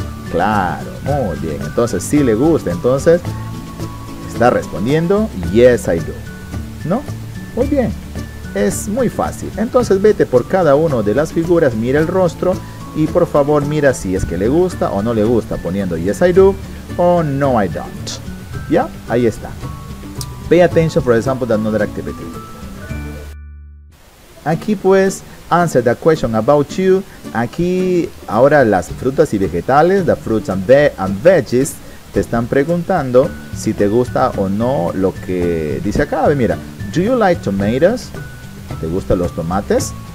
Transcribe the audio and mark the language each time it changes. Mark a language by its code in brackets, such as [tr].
[es] Claro, muy bien. Entonces, sí le gusta. Entonces, está respondiendo, [en] yes, I do. [es] ¿No? Muy bien. Es muy fácil. Entonces, vete por cada una de las figuras, mira el rostro y, por favor, mira si es que le gusta o no le gusta, poniendo [en] yes, I do [es] o [en] no, I don't. [es] ¿Ya? Ahí está. [en] Pay attention, for example, to another activity. [es] Aquí pues, [en] answer the question about you. [es] Aquí, ahora las frutas y vegetales, [en] the fruits and veggies, [es] te están preguntando si te gusta o no lo que dice acá. A ver, mira, [en] do you like tomatoes? [es] ¿Te gustan los tomates?